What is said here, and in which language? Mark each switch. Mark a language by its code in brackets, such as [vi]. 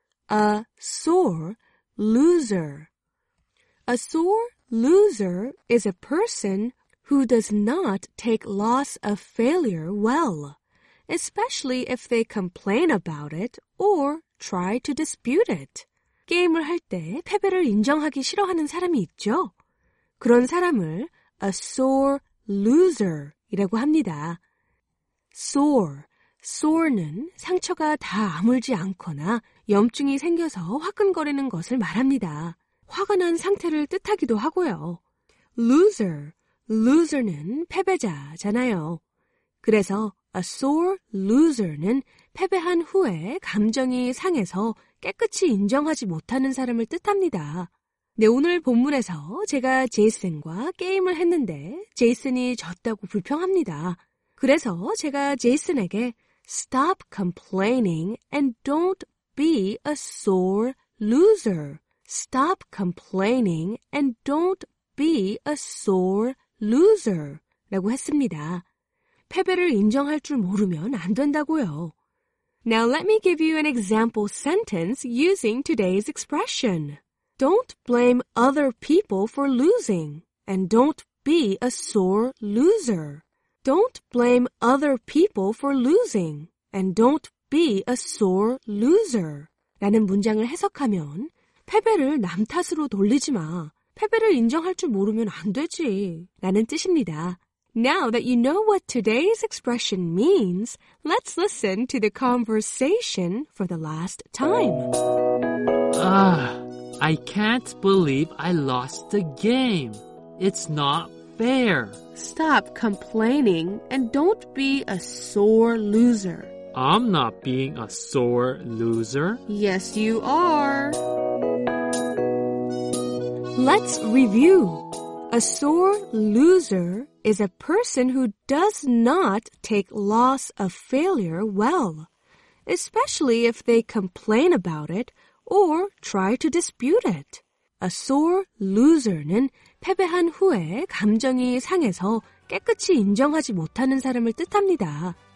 [en] A sore loser. A sore loser is a person who does not take loss of failure well, especially if they complain about it or try to dispute it. [ko] 게임을 할 때 패배를 인정하기 싫어하는 사람이 있죠? 그런 사람을 a sore loser이라고 합니다. Sore, sore는 상처가 다 아물지 않거나 염증이 생겨서 화끈거리는 것을 말합니다. 화가 난 상태를 뜻하기도 하고요. Loser, loser는 패배자잖아요. 그래서 a sore loser는 패배한 후에 감정이 상해서 깨끗이 인정하지 못하는 사람을 뜻합니다. 네, 오늘 본문에서 제가 제이슨과 게임을 했는데 제이슨이 졌다고 불평합니다. 그래서 제가 제이슨에게 [en] Stop complaining and don't be a sore loser. Stop complaining and don't be a sore loser [ko] 라고 했습니다. 패배를 인정할 줄 모르면 안 된다고요. [en] Now let me give you an example sentence using today's expression. Don't blame other people for losing and don't be a sore loser. Don't blame other people for losing and don't be a sore loser. [ko] 라는 문장을 해석하면 패배를 남 탓으로 돌리지 마. 패배를 인정할 줄 모르면 안 되지 라는 뜻입니다. [en] Now that you know what today's expression means, let's listen to the conversation for the last time. I can't believe I lost the game. It's not fair. Stop complaining and don't be a sore loser. I'm not being a sore loser. Yes, you are. Let's review. A sore loser is a person who does not take loss of failure well, especially if they complain about it or try to dispute it. A sore loser는 [ko] 패배한 후에 감정이 상해서 깨끗이 인정하지 못하는 사람을 뜻합니다.